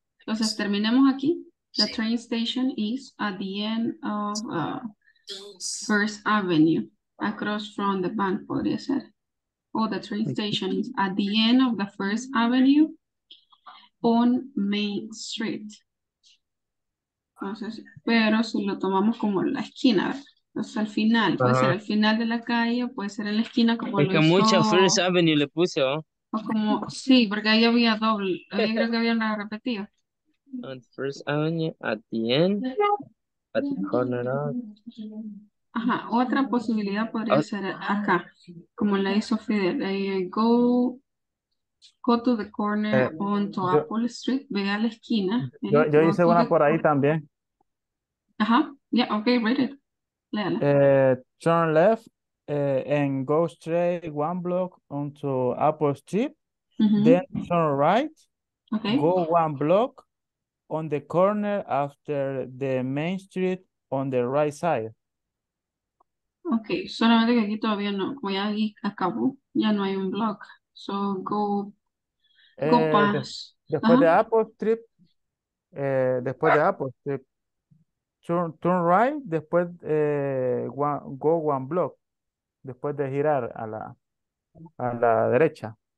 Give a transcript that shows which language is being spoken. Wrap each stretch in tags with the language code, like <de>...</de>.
<es>Entonces terminemos aquí.</es> <en>The train station is at the end of First Avenue, across from the bank,</en> <es>podría ser.</es> <en>Oh, the train station is at the end of the First Avenue on Main Street.</en> <es>Entonces, pero si lo tomamos como la esquina, entonces al final, puede ser al final de la calle, puede ser en la esquina como porque lo mucha hizo, First Avenue le puse, ¿no? O como, sí, porque ahí había doble, ahí creo que había una repetida.</es> <en>On First Avenue, at the end, at the corner of.</en> <es>Ajá, otra posibilidad podría ser acá, como la hizo Fidel.</es> <en>Go to the corner onto Apple Street,</en> <es>ve a la esquina. Yo hice una por ahí también.</es> <en>Ajá, yeah, okay, read it.</en> <es>Léala.</es> <en>Turn left and go straight one block onto Apple Street. Mm-hmm. Then turn right, okay. Go one block. On the corner after the Main Street on the right side.</en> <es>Okay, solamente que aquí todavía no, como ya ahí acabó, ya no hay un block.</es> <en>So go past.</en> <es>Después de Apple Street, después de Apple Street,</es> <en>turn right,</en> <es>después</es> <en>one block,</en> <es>después de girar a la derecha.</es>